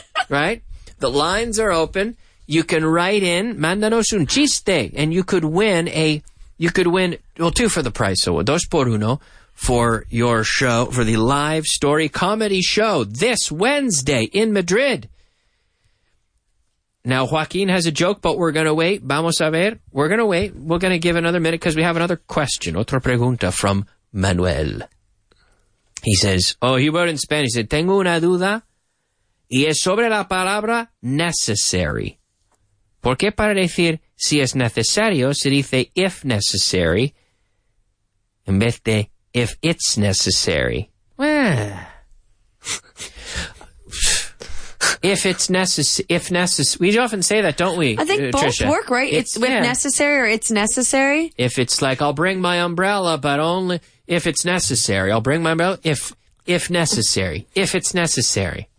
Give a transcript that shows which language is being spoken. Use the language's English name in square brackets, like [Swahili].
[English] Right? The lines are open. You can write in, [Spanish] mándanos un chiste, [English] and you could win, two for the price, so [Spanish] dos por uno, [English] for your show, for the live story comedy show this Wednesday in Madrid. Now, Joaquin has a joke, but we're going to wait. [Spanish] Vamos a ver. [English] We're going to wait. We're going to give another minute because we have another question. [Spanish] Otra pregunta [English] from Manuel. He says, oh, he wrote in Spanish. He said, [Spanish] tengo una duda y es sobre la palabra necessary. ¿Por qué para decir si es necesario se dice [English] if necessary [Spanish] en vez de [English] if it's necessary? Well... If necessary, we often say that, don't we? I think Trisha? Both work, right? Necessary or it's necessary. If it's like, I'll bring my umbrella, but only if it's necessary. I'll bring my umbrella if necessary. If it's necessary.